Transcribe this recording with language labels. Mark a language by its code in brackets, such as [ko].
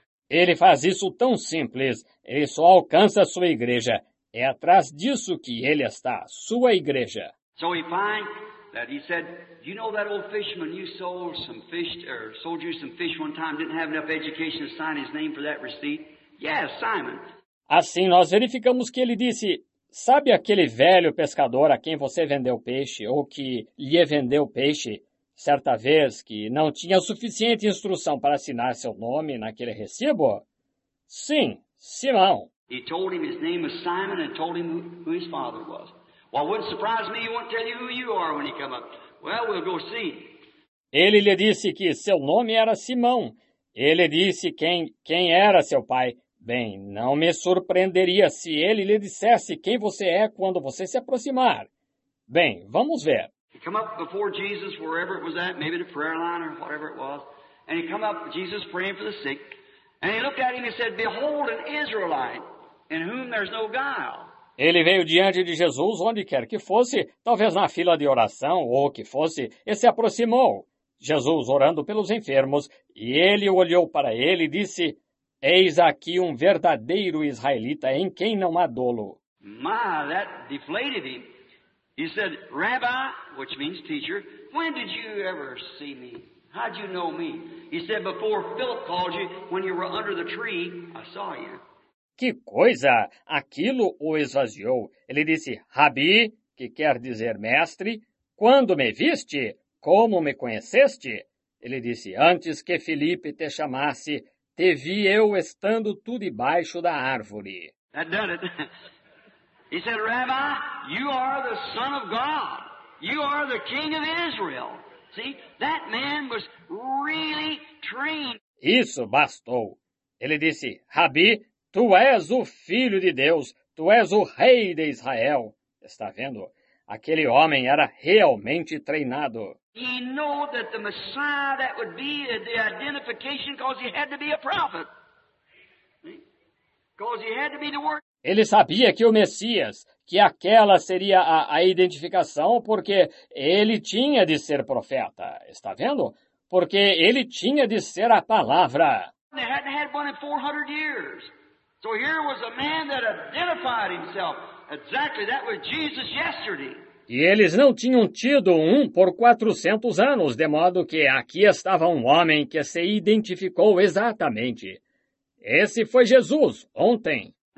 [pt] Ele faz isso tão simples, ele só alcança a sua igreja. É atrás disso que ele está, sua igreja. Então ele encontra [en] that he said, that old fisherman you sold you some fish one time, didn't have enough education to sign his name for that receipt? Yes, Simon. [pt] Assim, nós verificamos que ele disse, sabe aquele velho pescador a quem você vendeu peixe ou que lhe vendeu peixe certa vez que não tinha suficiente instrução para assinar seu nome naquele recibo? Sim, Simão. [en] He told him his name was Simon and told him who his father was. Well, wouldn't surprise me, he won't tell you who you are when he come up. Well, we'll go see. [pt] Ele lhe disse que seu nome era Simão. Ele disse quem era seu pai. Bem, não me surpreenderia se ele lhe dissesse quem você é quando você se aproximar. Bem, vamos ver. [en] He come up before Jesus, wherever it was at, maybe the prayer line or whatever it was. And he come up, Jesus praying for the sick. And he looked at him and said, behold, an Israelite in whom there's no guile. [pt] Ele veio diante de Jesus, onde quer que fosse, talvez na fila de oração ou o que fosse, e se aproximou. Jesus orando pelos enfermos, e ele olhou para ele e disse, eis aqui um verdadeiro israelita em quem não há dolo. [en] My, that deflated him. He said, Rabbi, which means teacher, when did you ever see me? How did you know me? He said, before Philip called you, when you were under the tree, I saw you. [pt] Que coisa! Aquilo o esvaziou. Ele disse, Rabi, que quer dizer mestre, quando me viste, como me conheceste? Ele disse, antes que Felipe te chamasse, te vi eu estando tu debaixo da árvore. [en] That done it. He said, Rabbi, you are the son of God. You are the king of Israel. See, that man was really trained. [pt] Isso bastou. Ele disse, Rabi, tu és o filho de Deus. Tu és o rei de Israel. Está vendo? Aquele homem era realmente treinado. [en] He knew that the Messiah that would be the identification because he had to be a prophet. Because he had to be the word. [pt] Ele sabia que o Messias, que aquela seria a identificação, porque ele tinha de ser profeta. Está vendo? Porque ele tinha de ser a palavra. [en] They hadn't had one in 400 years. So here was a man that identified himself. Exactly, that was Jesus yesterday. [pt] E eles não tinham tido um por 400 anos, de modo que aqui estava um homem que se identificou exatamente. Esse foi Jesus, ontem.